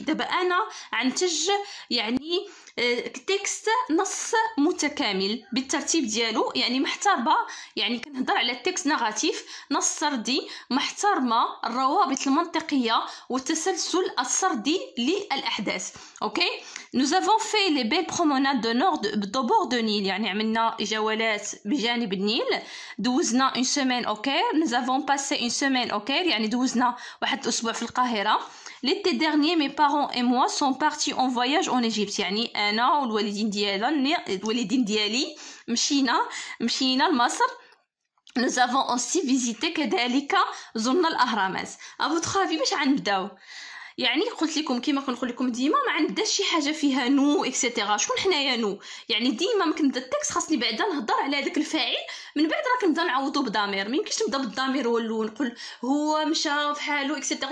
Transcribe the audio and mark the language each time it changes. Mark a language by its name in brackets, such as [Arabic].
[Arabic] دابا أنا عنتج يعني تكست نص متكامل بالترتيب ديالو، يعني محتربة، يعني كنهضر على التكست نغاتيف، نص سردي محترمة الروابط المنطقية والتسلسل السردي للأحداث، أوكي؟ [French] Nous avons fait les belles promenades de bord de Nil. [Arabic] يعني عملنا جولات بجانب النيل. [French] دوزنا une semaine au Caire. Nous avons passé une semaine au Caire. [Arabic] يعني دوزنا واحد أسبوع في القاهرة. [French] L'été dernier, mes parents et moi sont partis en voyage en Égypte. [Arabic] يعني أنا والوالدين ديالي مشينا لمصر. [French] Nous avons aussi visité [Arabic] كذلك زرنا الأهرامات. [French] À votre avis, [Arabic] باش عنبداو؟ يعني قلت لكم كيما كنقول لكم ديما، ما عندناش شي حاجه فيها نو اكسيتيرا. شكون حنايا نو؟ يعني ديما ما كنبدا التكست خاصني بعدا نهضر على هذاك الفاعل، من بعد راه كنبدا نعوضو بضمير. ما يمكنش نبدا بالضمير هو الاول، نقول هو مشى فحالو اكسيتيرا.